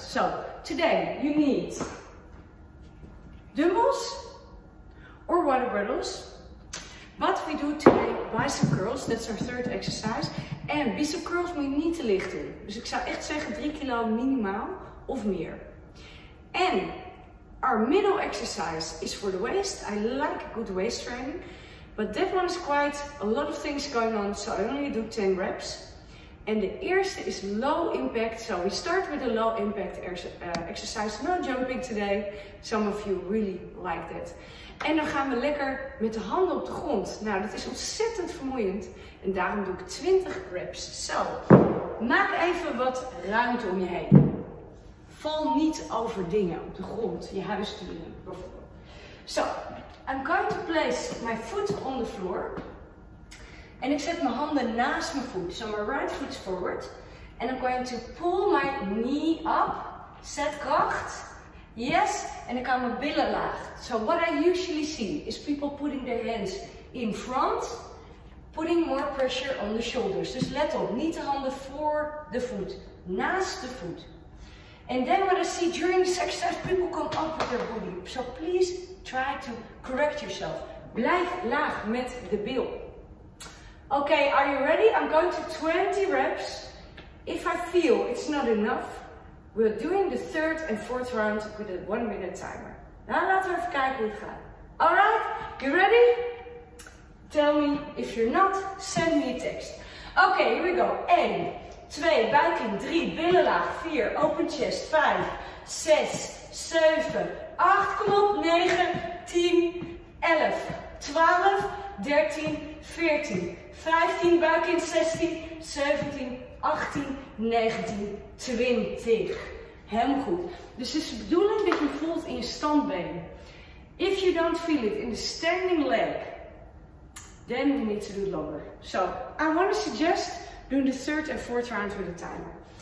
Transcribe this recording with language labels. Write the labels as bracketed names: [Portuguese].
[English] So, today you need dumbbells or water bottles. What we do today, bicep curls, that's our third exercise. [Dutch] En bicep curls moet je niet te licht doen. Dus ik zou echt zeggen 3 kilo minimaal of meer. [English] En our middle exercise is for the waist. I like good waist training. But that one is quite a lot of things going on, so I only do 10 reps. And the eerste is low impact, so we start with a low impact exercise. No jumping today, some of you really like that. [Dutch] En dan gaan we lekker met de handen op de grond. Nou, dat is ontzettend vermoeiend en daarom doe ik 20 reps. Zo, maak even wat ruimte om je heen. Val niet over dingen op de grond, je huisdieren bijvoorbeeld. Zo. [English] I'm going to place my foot on the floor. [Dutch] En ik zet mijn handen naast mijn voet. [English] So my right foot's forward. And I'm going to pull my knee up. [Dutch] Zet kracht. Yes. En ik hou mijn billen laag. [English] So what I usually see is people putting their hands in front. Putting more pressure on the shoulders. [Dutch] Dus let op. Niet de handen voor de voet. Naast de voet. [English] And then what I see during this exercise, people come up with their body. So please try to correct yourself. [Dutch] Blijf laag met de bil. [English] Okay, are you ready? I'm going to 20 reps. If I feel it's not enough, we're doing the third and fourth round with a 1 minute timer. [Dutch] Nou, laten we even kijken hoe het gaat. [English] Alright, you ready? Tell me if you're not, send me a text. Okay, here we go. [Dutch] 1, 2, buik in. 3, billen laag. 4, [English] open chest. [Dutch] 5, 6, 7, 8, kom op, 9, 10, 11, 12, 13, 14, 15, buik in, 16, 17, 18, 19, 20. Helemaal goed. Dus het is de bedoeling dat je voelt in je standbeen. [English] If you don't feel it in the standing leg, then you need to do longer. So, I want to suggest doing the third and fourth round with a timer.